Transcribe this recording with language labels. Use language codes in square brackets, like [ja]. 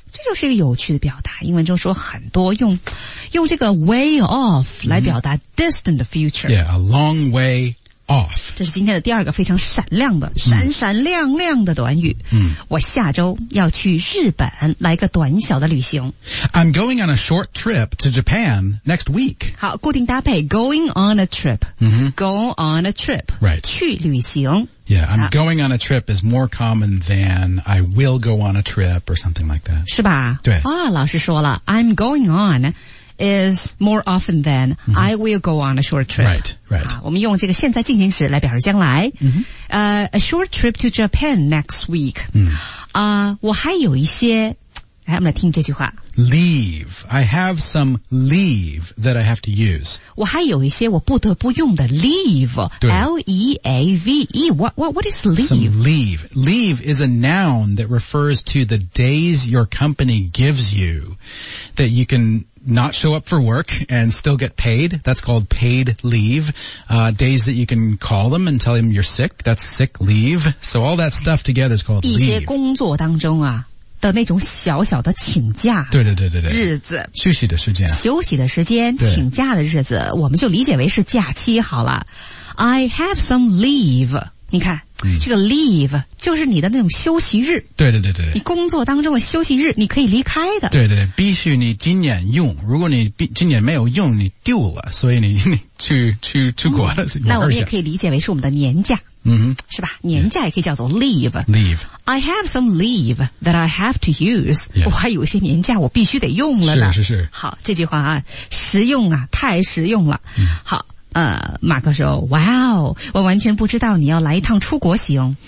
[zh] 这就是一个有趣的表达。英文中说很多用这个 way off 来表达 distant future. [en] Yeah, a long way off. [zh] 这是今天的第二个非常闪亮的、闪闪亮亮的短语。我下周要去日本来个短小的旅行。 [en] I'm going on a short trip to Japan next week. [zh] 好，固定搭配 [en] going on a trip.、Go on a trip. Right. [zh] 去旅行。 [en] Yeah, I'm going on a trip is more common than I will go on a trip or something like that. [zh] 是吧？对。啊、老师说了 [en] ,I'm going on. Is more often than、I will go on a short trip. Right, right. [zh] 我们用这个现在进行时来表示将来。 [en] A short trip to Japan next week. [zh] 我还有一些，来，我们来听这句话。 [en] Leave. I have some leave that I have to use. [zh] 我还有一些我不得不用的 leave. L-E-A-V-E. [en] What is leave? Some leave. Leave is a noun that refers to the days your company gives you that you can... not show up for work and still get paid. That's called paid leave. Days that you can call them and tell them you're sick. That's sick leave. So all that stuff together is called leave. [zh] 一些工作当中啊的那种小小的请假。对对对对对。日子。休息的时间。休息的时间请假的日子我们就理解为是假期好了。 [en] I have some leave. [zh] 你看。这个 leave 就是你的那种休息日。对对对对。你工作当中的休息日你可以离开的。对对对必须你今年用。如果你今年没有用你丢了所以你去国了。那我们也可以理解为是我们的年假。是吧年假也可以叫做 leave。 leave。 [en] I have some leave that I have to use.、 Yeah. [zh] 我还有一些年假我必须得用了呢。是是是。好这句话啊实用啊太实用了。好。马克说 Wow, 我完全不知道你要来一趟出国行。